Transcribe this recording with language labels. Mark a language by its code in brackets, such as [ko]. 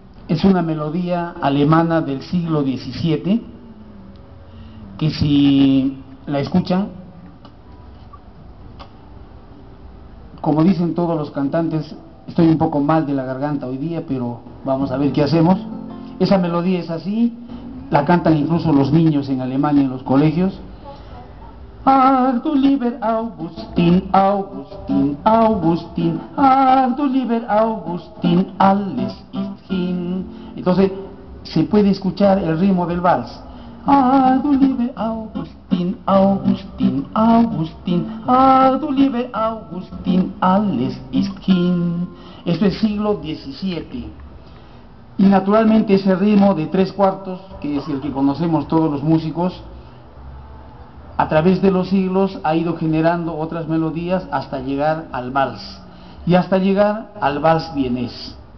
[es] Es una melodía alemana del siglo XVII, que si la escuchan, como dicen todos los cantantes, estoy un poco mal de la garganta hoy día, pero vamos a ver qué hacemos. Esa melodía es así, la cantan incluso los niños en Alemania en los colegios. [de] Ach du lieber Augustin, Augustin, Augustin, ach du lieber Augustin, alles ist hin. [es] Entonces se puede escuchar el ritmo del vals. [de] Ach du lieber Augustin, Augustin, Augustin, ach du lieber Augustin, alles ist hin. [es] Esto es siglo XVII. Y naturalmente ese ritmo de tres cuartos, que es el que conocemos todos los músicos, a través de los siglos ha ido generando otras melodías hasta llegar al vals, y hasta llegar al vals vienés.